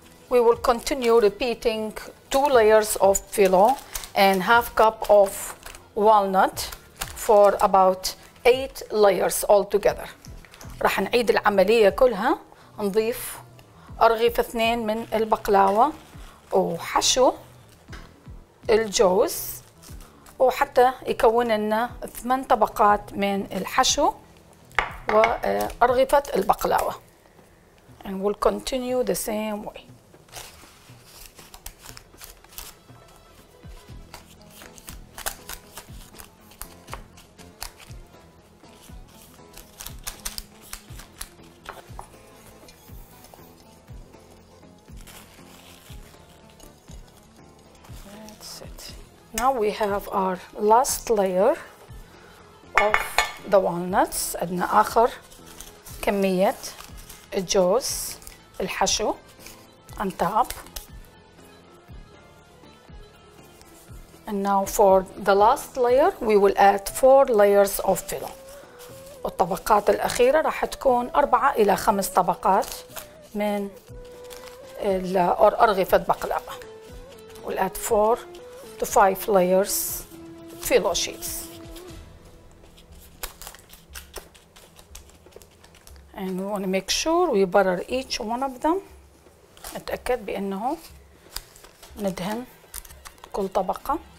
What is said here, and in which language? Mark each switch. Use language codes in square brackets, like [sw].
[en] We will continue repeating two layers of filo and half cup of walnut for about eight layers altogether. [ar] راح نعيد العملية كلها. نضيف أرغيف اثنين من البقلاوة وحشو الجوز وحتى يكون لنا ثمان طبقات من الحشو وأرغفة البقلاوة. [en] And we'll continue the same way. That's it. Now we have our last layer of the walnuts. [ar] عندنا آخر كمية الجوز الحشو [en] on top. And now for the last layer we will add four layers of filo. [ar] والطبقات الأخيرة راح تكون أربعة إلى خمس طبقات من أرغفة بقلاوة. [en] We'll add four to five layers filo sheets. and we want to make sure we butter each one of them. [ar] نتأكد بأنه ندهن كل طبقة.